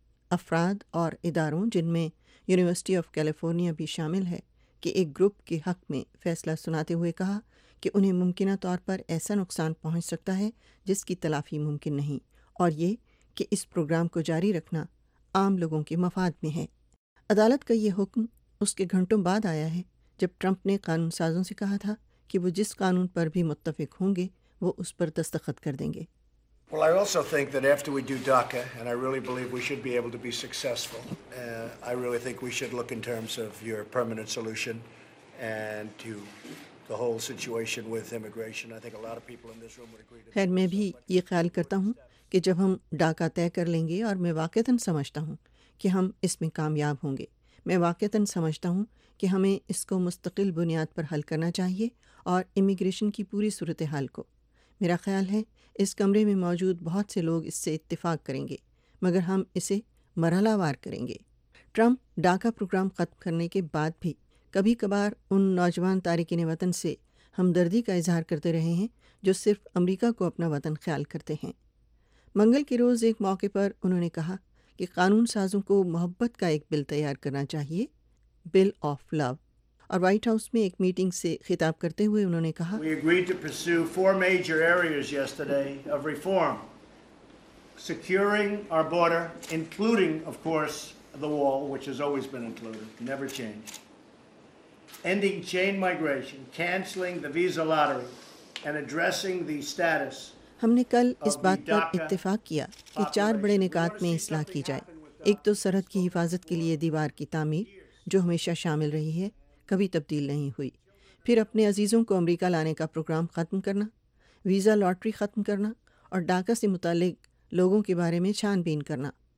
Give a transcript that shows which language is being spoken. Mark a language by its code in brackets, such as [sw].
[ur] افراد اور اداروں جن میں یونیورسٹی آف کیلیفورنیا بھی شامل ہے کہ ایک گروپ کے حق میں فیصلہ سناتے ہوئے کہا کہ انہیں ممکنہ طور پر ایسا نقصان پہنچ سکتا ہے جس کی تلافی ممکن نہیں، اور یہ کہ اس پروگرام کو جاری رکھنا عام لوگوں کے مفاد میں ہے۔ عدالت کا یہ حکم اس کے گھنٹوں بعد آیا ہے جب ٹرمپ نے قانون سازوں سے کہا تھا کہ وہ جس قانون پر بھی متفق ہوں گے وہ اس پر دستخط کر دیں گے۔ [en] Well, I also think that after we do DACA, and I really believe we should be able to be successful, I really think we should look in terms of your permanent solution and to the whole situation with immigration. I think a lot of people in this room would agree to that. [ur] خیر میں بھی یہ خیال کرتا ہوں کہ جب ہم ڈاکا طے کر لیں گے، اور میں واقعتاً سمجھتا ہوں کہ ہم اس میں کامیاب ہوں گے، میں واقعتاً سمجھتا ہوں کہ ہمیں اس کو مستقل بنیاد پر حل کرنا چاہیے اور امیگریشن کی پوری صورتحال کو. میرا خیال ہے اس کمرے میں موجود بہت سے لوگ اس سے اتفاق کریں گے، مگر ہم اسے مرحلہ وار کریں گے. ٹرمپ ڈاکہ پروگرام ختم کرنے کے بعد بھی کبھی کبھار ان نوجوان تارکین وطن سے ہمدردی کا اظہار کرتے رہے ہیں جو صرف امریکہ کو اپنا وطن خیال کرتے ہیں. منگل کے روز ایک موقع پر انہوں نے کہا کہ قانون سازوں کو محبت کا ایک بل تیار کرنا چاہیے، [en] Bill آف لو. [ur] اور وائٹ ہاؤس میں ایک میٹنگ سے خطاب کرتے ہوئے انہوں نے کہا، [en] We agreed to pursue four major areas yesterday of reform. Securing our border, including, of course, the wall, which has always been included, never changed. Ending chain migration, canceling the visa lottery, and addressing the status. [ur] ہم نے کل اس بات پر اتفاق کیا کہ چار بڑے نکات میں اصلاح کی جائے. ایک تو سرحد کی حفاظت کے لیے دیوار کی تعمیر، جو ہمیشہ شامل رہی ہے، کبھی تبدیل نہیں ہوئی. پھر اپنے عزیزوں کو امریکہ لانے کا پروگرام ختم کرنا، ویزا لاٹری ختم کرنا، اور ڈاکہ سے متعلق لوگوں کے بارے میں چھان بین کرنا.